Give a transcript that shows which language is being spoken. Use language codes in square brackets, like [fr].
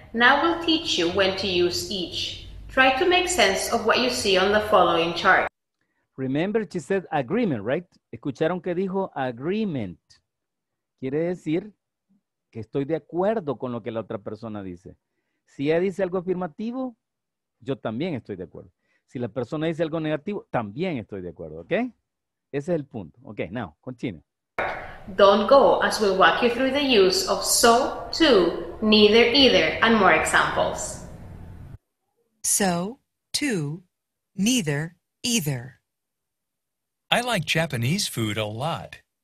[en] Now we'll teach you when to use each. Try to make sense of what you see on the following chart. Remember, she said agreement, right? [es] ¿Escucharon que dijo agreement? Quiere decir que estoy de acuerdo con lo que la otra persona dice. Si ella dice algo afirmativo, yo también estoy de acuerdo. Si la persona dice algo negativo, también estoy de acuerdo, ¿ok? Ese es el punto. Ok, [en] now, continue. Don't go as we walk you through the use of so, to, neither, either, and more examples. So, to, neither, either. I like Japanese food a lot.